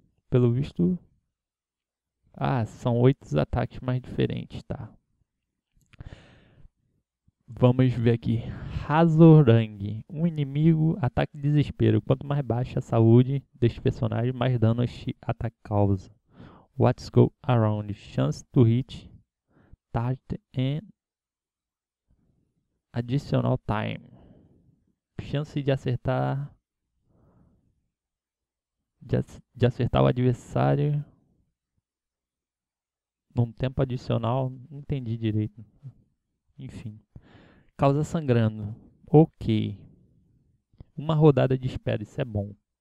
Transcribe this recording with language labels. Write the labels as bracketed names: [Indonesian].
[Portuguese] Pelo visto. Ah, são oito ataques mais diferentes, tá? Vamos ver aqui. Hazorang, um inimigo, ataque desespero. Quanto mais baixa a saúde deste personagem, mais dano este ataque causa. [English] What's go around? Chance to hit. Target and additional time. [Portuguese] Chance de acertar. De acertar o adversário. Num tempo adicional. Não entendi direito. Enfim. Causa sangrando. Ok. Uma rodada de espera, isso é bom.